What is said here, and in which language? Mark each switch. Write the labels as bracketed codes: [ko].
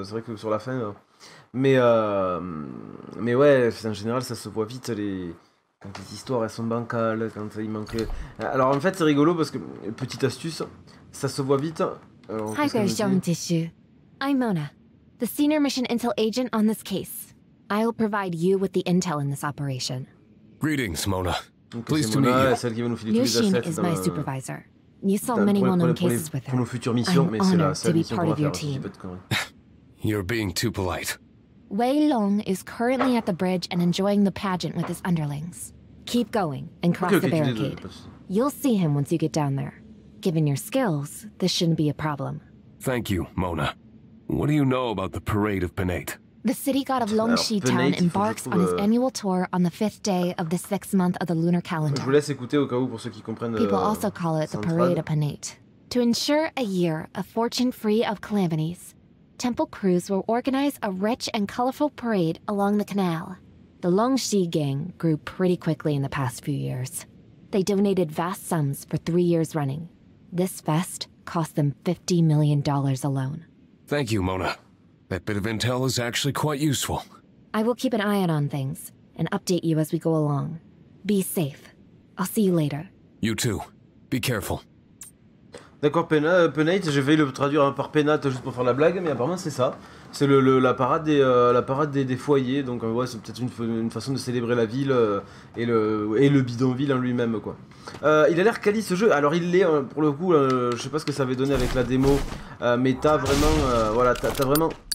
[fr] C'est vrai que sur la fin, mais ouais, en général ça se voit vite quand les histoires elles sont bancales, quand il manque. Alors en fait c'est rigolo parce que petite astuce, ça se voit vite. Alors, [en] Hi there, Jean Tissue. I'm Mona, the senior mission intel agent on this case. I will provide you with the intel in this operation. Greetings, Mona. Pleased to meet you. [fr] Celle qui va nous filer tous les [en] Yushin assets, is my supervisor. You saw many well-known cases with her. [fr] Pour nos futures missions, mais c'est la seule mission qu'on va faire. Je dis pas de conneries. [en] You're being too polite. Wei Long is currently at the bridge and enjoying the pageant with his underlings. Keep going and cross okay, the barricade. You'll see him once you get down there. Given your skills, this shouldn't be a problem. Thank you, Mona. What do you know about the parade of Penate? The city god of Longshi Town embarks on his annual tour on the fifth day of the sixth month of the lunar calendar. [fr] Je vous laisse écouter au cas où pour ceux qui comprennent. [en] People also call it the Parade of Penate. To ensure a year of fortune free of calamities, temple crews will organize a rich and colorful parade along the canal. The Longshi gang grew pretty quickly in the past few years. They donated vast sums for 3 years running. This fest cost them $50 million alone. Thank you, Mona. That bit of intel is actually quite useful. I will keep an eye on things and update you as we go along. Be safe. I'll see you later. You too. Be careful. [fr] D'accord, Penate, j'ai failli le traduire par Penate juste pour faire la blague, mais apparemment c'est ça. C'est la parade des foyers, donc ouais, c'est peut-être une façon de célébrer la ville et le bidonville en lui-même, quoi. Il a l'air quali ce jeu, alors il l'est pour le coup, je sais pas ce que ça avait donné avec la démo, mais t'as vraiment. Voilà, t'as vraiment.